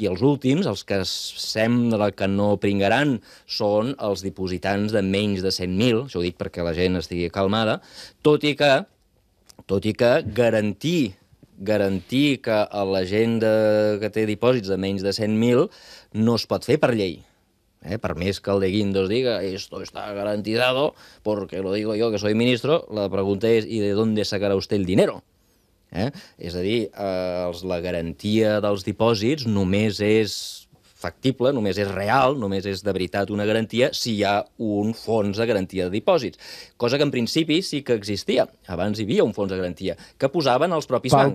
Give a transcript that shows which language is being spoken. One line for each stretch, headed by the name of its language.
Catalan: I els últims, els que sembla que no pringaran, són els dipositants de menys de 100.000, això ho dic perquè la gent estigui calmada, tot i que garantir que la gent que té dipòsits de menys de 100.000 no es pot fer per llei. Per més que el de Guindos diga
Spanish: esto está garantizado porque lo digo yo que soy ministro,
Catalan: la pregunta és
Spanish: ¿y de dónde sacará usted el dinero?
Catalan: És a dir, la garantia dels dipòsits només és factible, només és real, només és de veritat una garantia si hi ha un fons de garantia de dipòsits. Cosa que en principi sí que existia. Abans hi havia un fons de garantia que posaven els propis bancs.